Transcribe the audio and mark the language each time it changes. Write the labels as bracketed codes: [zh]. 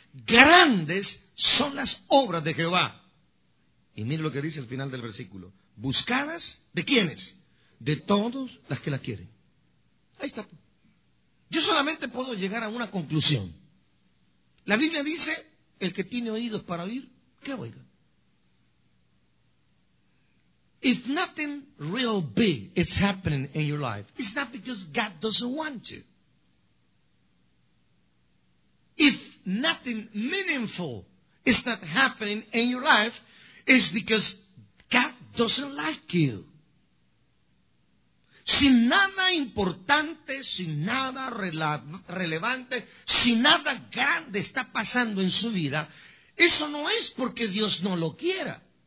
[es] Grandes son las obras de Jehová. Y mire lo que dice el final del versículo. ¿Buscadas de quiénes? De todos las que la quieren. Ahí está. Yo solamente puedo llegar a una conclusión. La Biblia dice, el que tiene oídos para oír, que oiga. [en] If nothing real big is happening in your life, it's not because God doesn't want you. If nothing meaningful is not happening in your life, it's because God doesn't like you. [es] Si nada importante, si nada relevante, si nada grande está pasando en su vida, eso no es porque Dios no lo quiera.